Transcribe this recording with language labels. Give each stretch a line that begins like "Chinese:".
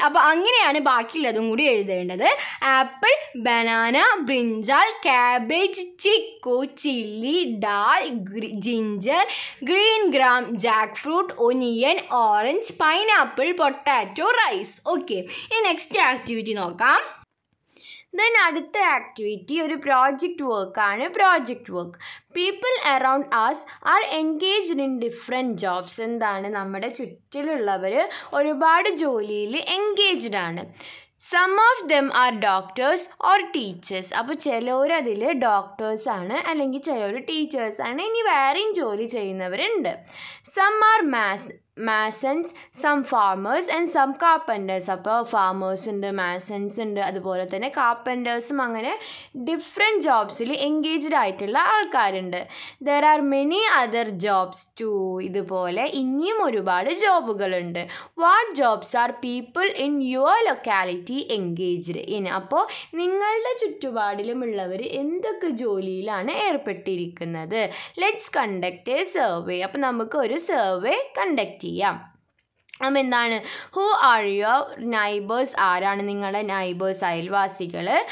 Malayalam: അപ്പോൾ അങ്ങനെയാണ് ബാക്കിയുള്ളതും കൂടി എഴുതേണ്ടത്.
English: Apple, banana, brinjal, cabbage, chikoo, chilli, dal, ginger, green gram, jackfruit, onion, orange, pineapple, potato, rice. Okay, ഈ next activity നോക്കാം. Then
Malayalam: അടുത്ത ആക്ടിവിറ്റി ഒരു പ്രോജക്റ്റ് വർക്കാണ്.
English: Project work, people around us are engaged in different jobs.
Malayalam: എന്താണ്, നമ്മുടെ ചുറ്റിലുള്ളവർ ഒരുപാട് ജോലിയിൽ engaged ആണ്.
English: Some of them are doctors or teachers.
Malayalam: അപ്പോൾ ചിലവരതിൽ ഡോക്ടേഴ്സ് ആണ്, അല്ലെങ്കിൽ ചിലവർ ടീച്ചേഴ്സ് ആണ്, ഇനി വേറെയും ജോലി ചെയ്യുന്നവരുണ്ട്.
English: Some are masons, some farmers and some carpenters.
Malayalam: അപ്പോൾ farmers ഉണ്ട്, masons ഉണ്ട്, അതുപോലെ തന്നെ carpentersും, അങ്ങനെ ഡിഫറെൻറ്റ് ജോബ്സിൽ എൻഗേജ്ഡ് ആയിട്ടുള്ള ആൾക്കാരുണ്ട്.
English: There are many other jobs too.
Malayalam: ഇതുപോലെ ഇനിയും ഒരുപാട് ജോബുകളുണ്ട്.
English: What jobs are people in your locality engaged in?
Malayalam: അപ്പോൾ നിങ്ങളുടെ ചുറ്റുപാടിലുമുള്ളവർ എന്തൊക്കെ ജോലിയിലാണ് ഏർപ്പെട്ടിരിക്കുന്നത്?
English: Let's conduct a survey.
Malayalam: അപ്പോൾ നമുക്ക് ഒരു സർവേ കണ്ടക്ട് ചെയ്യാം. അപ്പം എന്താണ്,
English: who are your neighbours,
Malayalam: ആരാണ് നിങ്ങളുടെ നൈബേഴ്സ്, അയൽവാസികൾ.